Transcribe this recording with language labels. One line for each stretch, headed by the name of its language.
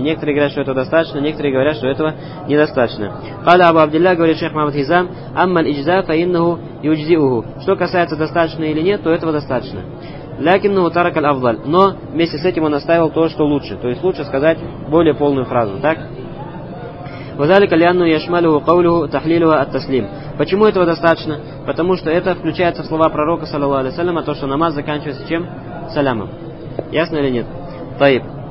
Russian: Некоторые говорят, что этого достаточно, некоторые говорят, что этого недостаточно.
Arabic: «Кали Абу Абдилля»,
Russian: говорит шейх
Arabic: Мухаммад Хизам, «Амма л-иджза фа иннаху юджзиуху».
Russian: Что касается достаточно или нет, то этого достаточно.
Arabic: «Лякиннаху тарак аль-авдаль».
Russian: Но вместе с этим он оставил то, что лучше. То есть лучше сказать более полную фразу, так?
Arabic: وذلك لانه يشمله قوله تحليلها التسليم.
Russian: Почему этого достаточно? Потому что это включается в слова пророка саллаллаху алейхи ва саллям, то что намаз заканчивается чем? Салямом. Ясно или нет? Тайб.